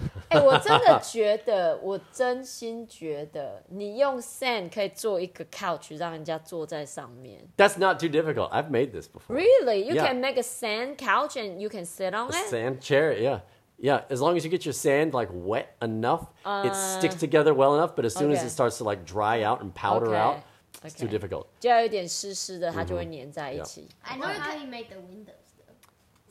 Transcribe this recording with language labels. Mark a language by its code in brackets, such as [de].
[zh] 欸、我真的觉得我真心觉得你用 sand 可以做一个 couch 让人家坐在上面 [en] That's not too difficult. I've made this before. Really? You can make a sand couch and you can sit on it? A sand chair, yeah. Yeah, as long as you get your sand like wet enough, it sticks together well enough, but as soon as it starts to like dry out and powder out, it's too difficult. [zh] 就要有点湿湿的它就会粘在一起。 [en] I know how you made the windows though.